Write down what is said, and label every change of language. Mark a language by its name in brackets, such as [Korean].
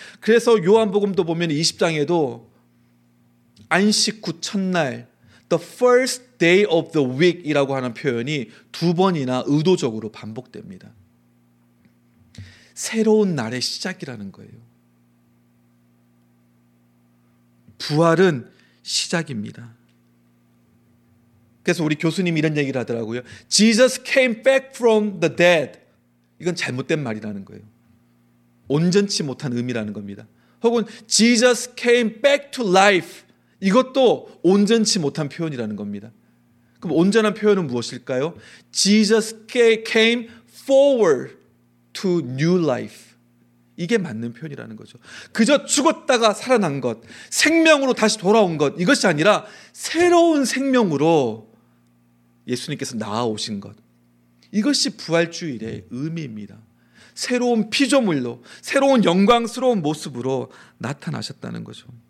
[Korean] 그래서 요한복음도 보면 20장에도 안식 후 첫날 [English] The first day of the week [Korean] 이라고 하는 표현이 두 번이나 의도적으로 반복됩니다. 새로운 날의 시작이라는 거예요. 부활은 시작입니다. 그래서 우리 교수님이 이런 얘기를 하더라고요. [English] Jesus came back from the dead. [Korean] 이건 잘못된 말이라는 거예요. 온전치 못한 의미라는 겁니다. 혹은 [English] Jesus came back to life. [Korean] 이것도 온전치 못한 표현이라는 겁니다. 그럼 온전한 표현은 무엇일까요? [English] Jesus came forward to new life. [Korean] 이게 맞는 표현이라는 거죠. 그저 죽었다가 살아난 것, 생명으로 다시 돌아온 것, 이것이 아니라 새로운 생명으로 예수님께서 나아오신 것. 이것이 부활주일의 의미입니다. 새로운 피조물로, 새로운 영광스러운 모습으로 나타나셨다는 거죠.